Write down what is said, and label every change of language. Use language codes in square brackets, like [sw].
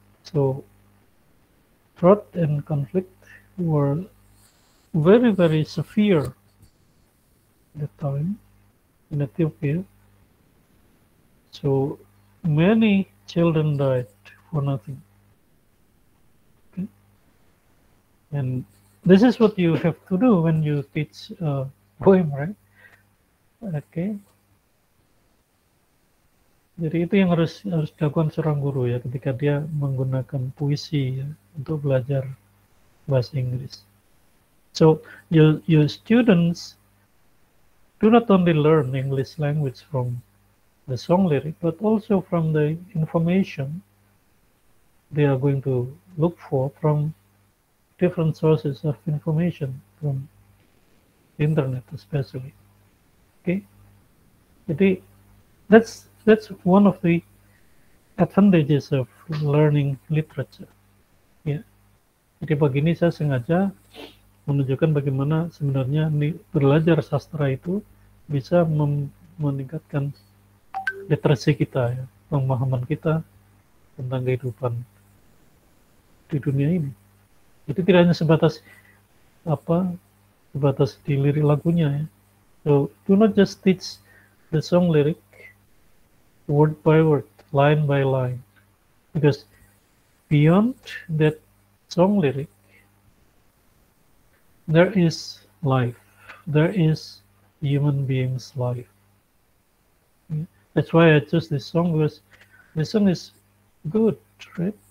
[en] So drought and conflict were very, very severe at the time in Ethiopia. So many children died for nothing. Okay. And this is what you have to do when you teach a poem, right? Okay. [id] Jadi itu yang harus dilakukan seorang guru ya, ketika dia menggunakan puisi ya, untuk belajar bahasa Inggris. [en] So your students do not only learn English language from the song lyric, but also from the information they are going to look for from different sources of information from the internet especially. Okay, jadi that's one of the advantages of learning literature. Yeah. [id] Jadi begini saya sengaja menunjukkan bagaimana sebenarnya belajar sastra itu bisa meningkatkan literasi kita, ya, pemahaman kita tentang kehidupan di dunia ini. Itu tidak hanya sebatas di lirik lagunya, ya. [en] So do not just teach the song lyric word by word, line by line, because beyond that song lyric, there is life. There is human being's life. That's why I chose this song, because this song is good, right?